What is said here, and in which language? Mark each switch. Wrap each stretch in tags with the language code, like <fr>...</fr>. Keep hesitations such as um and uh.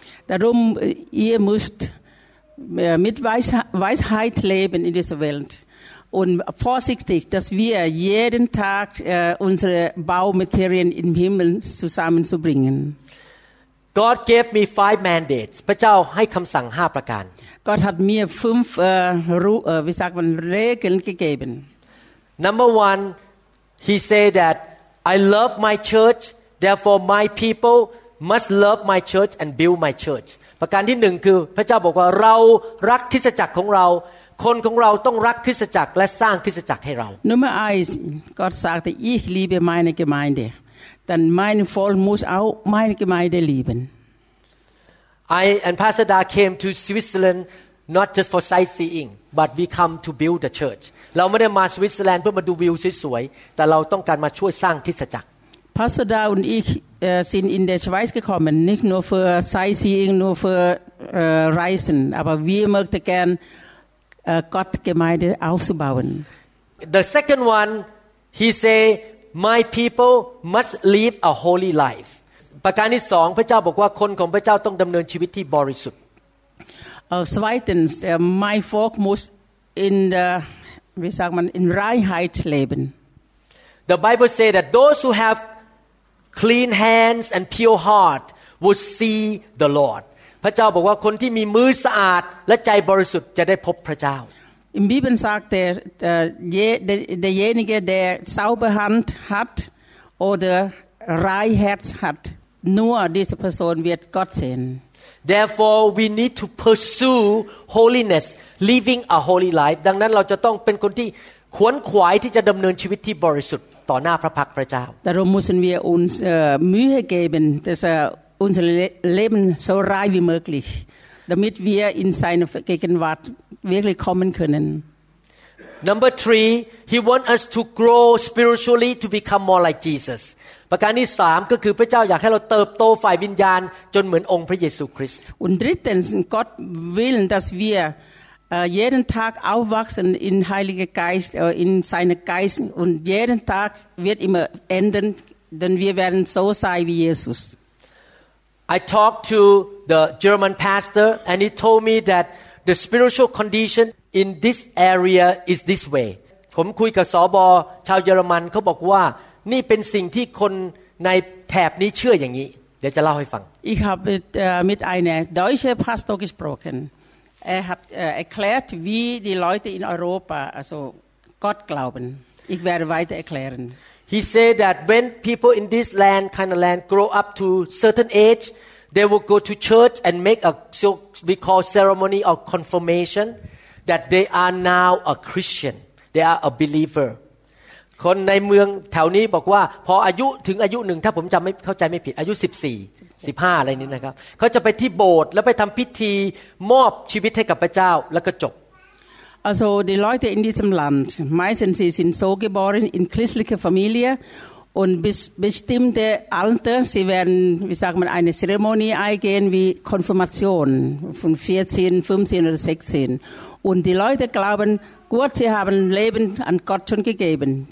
<de>Darum, äh, ihr müsst äh, mit Weis- Weisheit leben in dieser Welt. Und vorsichtig, dass wir jeden Tag äh, unsere Baumaterien im Himmel zusammenzubringen.</de> <en>God gave me five mandates</en> <th>พระเจ้าให้คำสั่งห้าประการ</th> <de>Gott hat mir fünf äh, Ru äh, wie sagt man, Regeln gegeben.</de> <en>Number one he said that I love my church therefore my people must love my church and build my church</en> <th>ประการที่หนึ่งคือพระเจ้าบอกว่าเรารักคริสตจักรของเรา คนของเราต้องรักคริสตจักรและสร้างคริสตจักรให้เรา</th> <de>Nummer eins, Gott sagte, ich liebe meine Gemeinde. Dann mein Volk muss auch meine Gemeinde lieben.</de> <en>I and Pastor Da came to Switzerland not just for sightseeing but we come to build the church</en> <th>เราไม่ได้มาสวิตเซอร์แลนด์เพื่อมาดูวิวสวยๆ แต่เราต้องการมาช่วยสร้างคริสตจักร</th> <de>Pastor Da und ich äh, sind in der Schweiz gekommen, nicht nur für Sightseeing, nur für äh, Reisen, aber wir möchten gern äh, Gott Gemeinde aufzubauen.</de> <en>The second one he say my people must live a holy life</en> <th>ประการที่สองพระเจ้าบอกว่าคนของพระเจ้าต้องดำเนินชีวิตที่บริสุทธิ์</th> <de>Äh, zweitens, äh, mein Volk muss in der, wie sagt man, in Reinheit leben.</de> <en>The Bible say that those who have clean hands and pure heart will see the Lord</en> <th>พระเจ้าบอกว่าคนที่มีมือสะอาดและใจบริสุทธิ์จะได้พบพระเจ้า</th> <de>Im Bibel sagt der, der, je- der, derjenige, der saubere Hand hat oder Reinherz hat, nur diese Person wird Gott sehen.</de> <en>Therefore we need to pursue holiness living a holy life</en> <th>ดังนั้นเราจะต้องเป็นคนที่ขวนขวายที่จะดำเนินชีวิตที่บริสุทธิ์ต่อหน้าพระพักตร์พระเจ้า</th> <de>Darum müssen wir uns äh, Mühe geben, dass er unser Le Leben so rein wie möglich, damit wir in seine Gegenwart wirklich kommen können.</de> <en>Number three he wants us to grow spiritually to become more like Jesus</en> <th>ประการที่สามก็คือพระเจ้าอยากให้เราเติบโตฝ่ายวิญญาณ จนเหมือนองค์พระเยซูคริสต์</th> <de>Und drittens, Gott will, dass wir äh, jeden Tag aufwachsen in Heiliger Geist, äh, in seine Geist und jeden Tag wird immer ändern, denn wir werden so sein wie Jesus.</de> <en>I talked to the German pastor and he told me that the spiritual condition in this area is this way</en> <th>ผมคุยกับสอบอชาวเยอรมันเขาบอกว่านี่เป็นสิ่งที่คนในแถบนี้เชื่ออย่างนี้ เดี๋ยวจะเล่าให้ฟัง</th> <de>Ich habe äh, mit einem deutschen Pastor gesprochen. Er hat äh, erklärt, wie die Leute in Europa, also Gott glauben. Ich werde weiter erklären.</de> <en>He said that when people in this land kind of land grow up to certain age they will go to church and make a so we call ceremony of confirmation that they are now a Christian they are a believer</en> <th>คนในเมืองแถวนี้บอกว่าพออายุถึงอายุหนึ่งถ้าผมจำไม่เข้าใจไม่ผิดอายุ 14 15 อะไรนี้นะครับเขาจะไปที่โบสถ์แล้วไปทำพิธีมอบชีวิตให้กับพระเจ้าแล้วก็จบ</th> <de>Also die Leute in diesem Land, meistens sie sind so geboren in christlicher Familie und bis bestimmte Alter, sie werden, wie sagt man, eine Zeremonie eingehen wie Konfirmation von 14, 15 oder 16. Und die Leute glauben, gut, sie haben Leben an Gott schon gegeben.</de>